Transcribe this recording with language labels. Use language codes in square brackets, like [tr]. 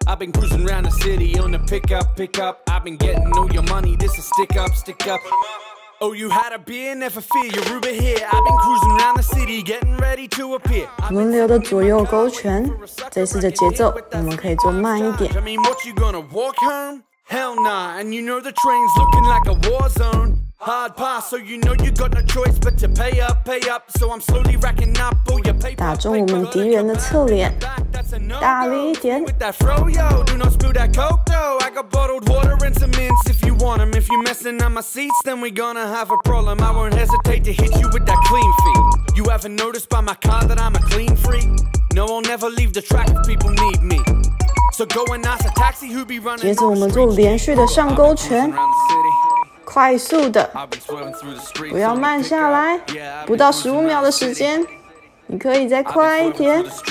[en] I've been cruising around the city on the pickup, pickup. I've been getting all your money. This is stick up, stick up. Oh, you had a beer, never fear. You're Uber here. I've been cruising around the city, getting ready to appear. [zh] 轮流的左右勾拳，这次的节奏我们可以做慢一点。 [en] I mean, what you gonna walk home? Hell nah, and you know the train's looking like a war zone. Hard pass, so you know you got no choice but to pay up, pay up. So I'm slowly racking up all your paper. [zh] 打中我们敌人的侧脸，大力一点。 [en] With that fro yo, do not spill that coke though. I got bottled water and some mints if you want 'em. If you're messing up my seats, then we're gonna have a problem. I won't hesitate to hit you with that clean feet. You haven't noticed by my car that I'm a clean freak. No, I'll never leave the track if people need me. So go and ask a taxi who be running. [zh] 接着我们做连续的上勾拳。快速的，不要慢下来，不到十五秒的时间，你可以再快一点。